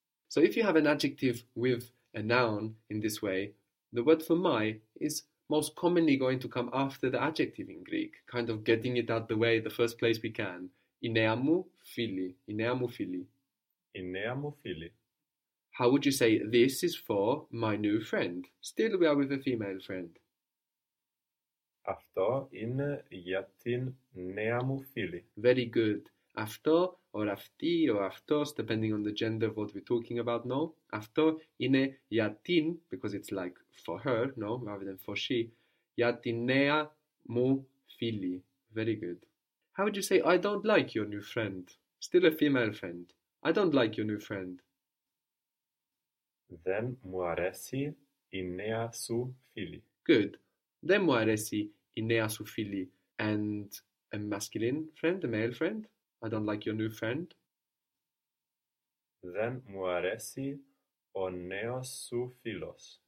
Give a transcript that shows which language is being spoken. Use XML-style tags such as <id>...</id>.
<en>So if you have an adjective with a noun in this way, the word for my is most commonly going to come after the adjective in Greek, kind of getting it out the way the first place we can.</en> <el>Ineamu fili. Ineamu fili. Ineamo fili.</el> <en>How would you say this is for my new friend? Still we are with a female friend.</en> <el>Αυτό είναι για την νέα μου φίλη.</el> <en>Very good. Αυτό or αυτή or αυτός, depending on the gender of what we're talking about, no?</en> <el>Αυτό είναι για την,</el> <en>because it's like for her, no? Rather than for she.</en> <el>Για την νέα μου φίλη.</el> <en>Very good. How would you say, I don't like your new friend? Still a female friend. I don't like your new friend.</en> <el>Δεν μου αρέσει η νέα σου φίλη.</el> <en>Good.</en> <el>Δεν μου αρέσει η νέα σου φίλη.</el> <en>And a masculine friend, a male friend? I don't like your new friend.</en> <el>Δεν μου αρέσει ο νέος σου φίλος.</el>